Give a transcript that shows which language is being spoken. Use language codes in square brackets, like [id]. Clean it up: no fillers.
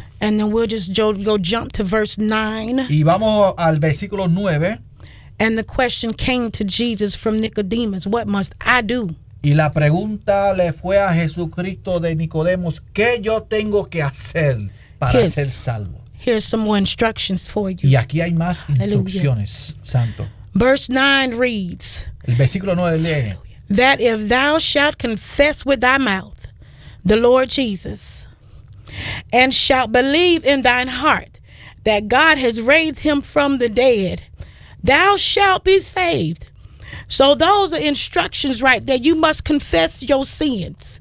[en] And then we'll just go jump to verse 9. [es] Y vamos al versículo 9. [en] And the question came to Jesus from Nicodemus, what must I do? [es] Y la pregunta le fue a Jesucristo de Nicodemus, ¿qué yo tengo que hacer para ser salvo? [en] Here's some more instructions for you. [es] Y aquí hay más instrucciones, Santo. [en] Verse 9 reads. [es] El versículo 9 lee. Hallelujah. [en] That if thou shalt confess with thy mouth the Lord Jesus and shalt believe in thine heart that God has raised him from the dead, thou shalt be saved. So those are instructions right there. You must confess your sins.